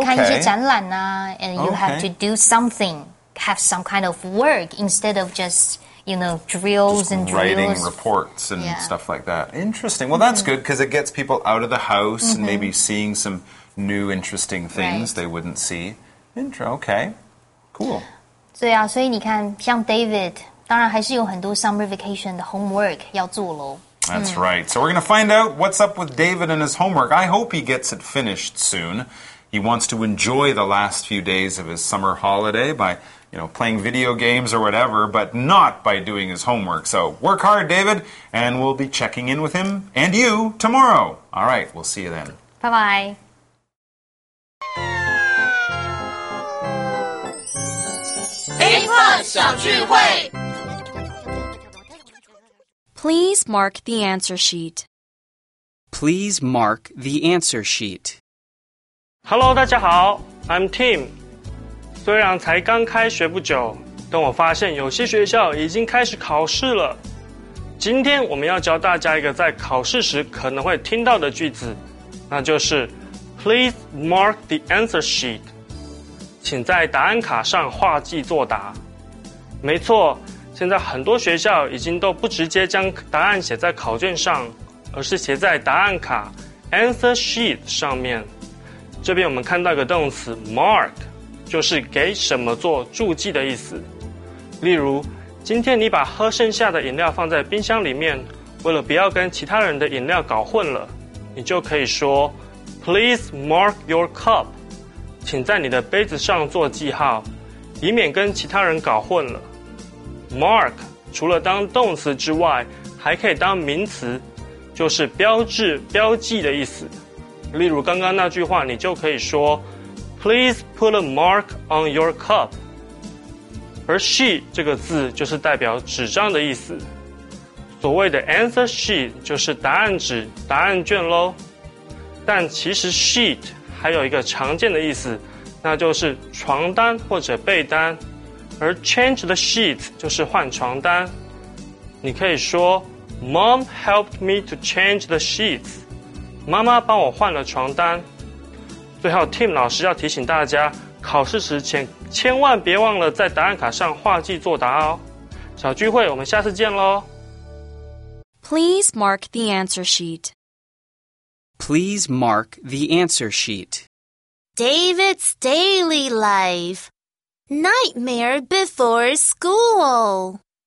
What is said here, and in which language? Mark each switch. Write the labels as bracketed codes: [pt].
[zh] 去看一些展览啊, [en] and you have to do something, have some kind of work instead of just... You know, drills and writing drills. Reports and stuff like that. Interesting. Well, that's good because it gets people out of the house and maybe seeing some new interesting things they wouldn't see. Okay. Cool. 对啊，所以你看，像 David， 当然还是有很多 summer vacation 的 homework 要做咯。 That's right. So we're going to find out what's up with David and his homework. I hope he gets it finished soon. He wants to enjoy the last few days of his summer holiday by... You know, playing video games or whatever, but not by doing his homework. So work hard, David, and we'll be checking in with him and you tomorrow. All right, we'll see you then. Bye-bye. Please mark the answer sheet. Please mark the answer sheet. Hello, [zh] 大家好 [en] I'm Tim. [zh] 虽然才刚开学不久，但我发现有些学校已经开始考试了。今天我们要教大家一个在考试时可能会听到的句子，那就是 [en] Please mark the answer sheet， [zh] 请在答案卡上画记作答。没错，现在很多学校已经都不直接将答案写在考卷上，而是写在答案卡 answer sheet 上面。这边我们看到一个动词 mark，就是给什么做注记的意思。例如，今天你把喝剩下的饮料放在冰箱里面，为了不要跟其他人的饮料搞混了，你就可以说 [en] Please mark your cup， [zh] 请在你的杯子上做记号，以免跟其他人搞混了。 Mark 除了当动词之外，还可以当名词，就是标志、标记的意思。例如刚刚那句话，你就可以说 [en] Please put a mark on your cup. [zh] 而 sheet 这个字就是代表纸张的意思。所谓的 answer sheet 就是答案纸、答案卷咯。但其实 sheet 还有一个常见的意思，那就是床单或者被单。而 change the sheet 就是换床单。 你可以说 Mom helped me to change the sheets. 妈妈帮我换了床单。最后 Tim 老师要提醒大家，考试时前千万别忘了在答案卡上画记作答哦。小聚会，我们下次见咯。 [en] Please mark the answer sheet. Please mark the answer sheet. David's daily life. Nightmare before school.